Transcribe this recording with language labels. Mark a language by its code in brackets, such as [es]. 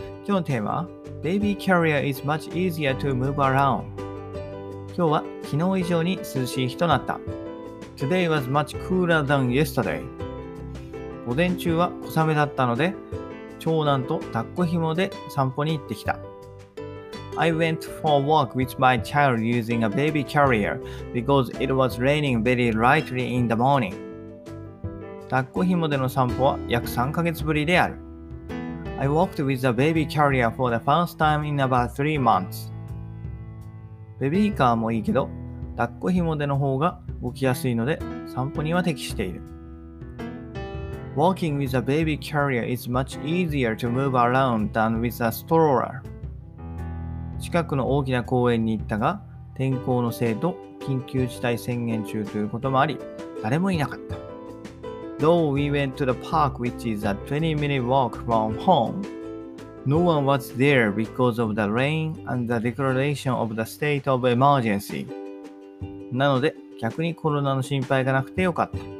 [ja] 今日のテーマは [en] Baby carrier is much easier to move around。 [ja] 今日は昨日以上に涼しい日となった。 [en] Today was much cooler than yesterday。 [ja] 午前中は小雨だったので長男と抱っこ紐で散歩に行ってきた。 [en] I went for a walk with my child using a baby carrier because it was raining very lightly in the morning。 [ja] 抱っこ紐での散歩は約3ヶ月ぶりである。 [en] I walked with a baby carrier for the first time in about 3 months. [ja] ベビーカーもいいけど、抱っこ紐での方が動きやすいので散歩には適している。 [en] Walking with a baby carrier is much easier to move around than with a stroller. [ja] 近くの大きな公園に行ったが、天候のせいと緊急事態宣言中ということもあり、誰もいなかった。 [en] Though we went to the park, which is a 20-minute walk from home, no one was there because of the rain and the declaration of the state of emergency. [ja] なので、逆にコロナの心配がなくてよかった。